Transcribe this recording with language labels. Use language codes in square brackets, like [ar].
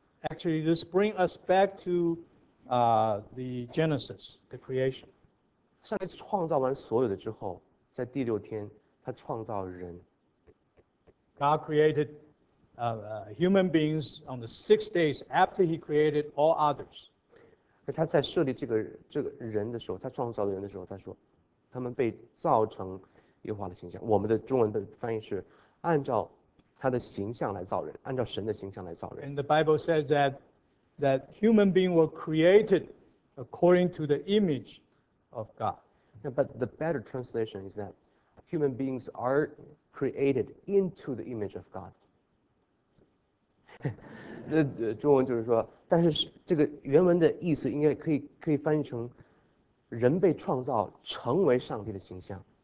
[en] Actually, this brings us back to the Genesis, the creation. [zh] 上帝创造完所有的之后， 在第六天, 他创造人。 [en] God created human beings on the 6 days after He created all others. [zh] 而他在设立这个人的时候, 他创造人的时候, 他说, 他们被造成耶和华的形象。我们的中文的翻译是, 按照 他的形象来造人, 按照神的形象来造人。 [en] And the Bible says that human beings were created according to the image of God. Yeah, but the better translation is that human beings are created into the image of God. [zh] 中文就是说, 但是这个原文的意思应该可以翻译成 人被创造成为上帝的形象。